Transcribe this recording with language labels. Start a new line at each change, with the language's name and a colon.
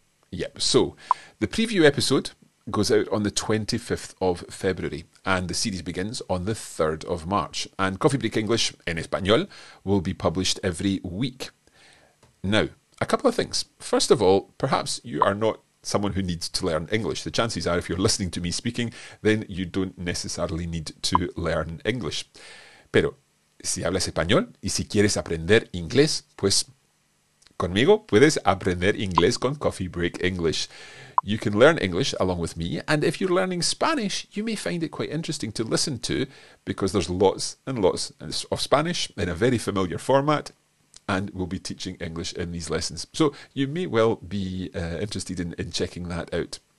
English: Yep, so the preview episode goes out on the 25th of February, and the series begins on the 3rd of March. And Coffee Break English, en español, will be published every week. Now, a couple of things. First of all, perhaps you are not someone who needs to learn English. The chances are, if you're listening to me speaking, then you don't necessarily need to learn English.
Spanish: Pero si hablas español y si quieres aprender inglés, pues conmigo puedes aprender inglés con Coffee Break English.
English: You can learn English along with me, and if you're learning Spanish, you may find it quite interesting to listen to, because there's lots and lots of Spanish in a very familiar format. And we'll be teaching English in these lessons. So you may well be interested in checking that out.